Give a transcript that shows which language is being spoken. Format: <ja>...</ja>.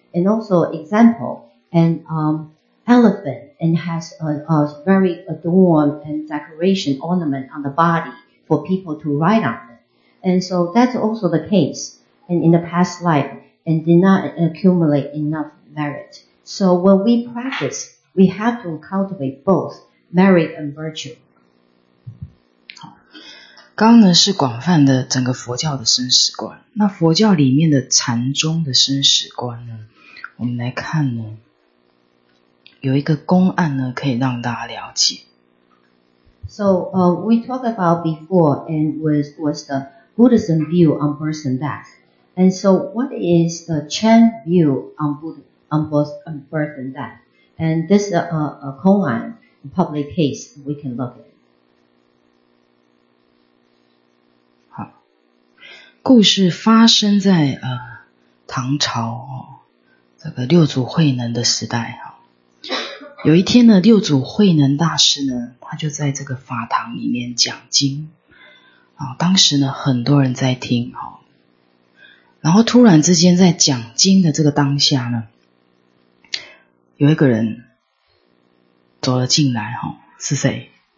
<en>And also example, an elephant and has a very adorned and decoration ornament on the body for people to ride on it. And so that's also the case. And in the past life, and did not accumulate enough merit. So when we practice, we have to cultivate both merit and virtue.</en> <zh>刚呢是广泛的整个佛教的生死观。那佛教里面的禅宗的生死观呢，我们来看呢，有一个公案呢可以让大家了解。</zh> <en>So we talked about before, and was the Buddhism view on birth and death. And so what is the Chan view on Buddha, on both on birth and death? And this is a koan, a public case we can look at.</en> <zh>好，故事发生在唐朝这个六祖慧能的时代，有一天呢六祖慧能大师呢他就在这个法堂里面讲经，当时呢很多人在听，然后突然之间在讲经的这个当下呢，有一个人走了进来，是谁？</zh>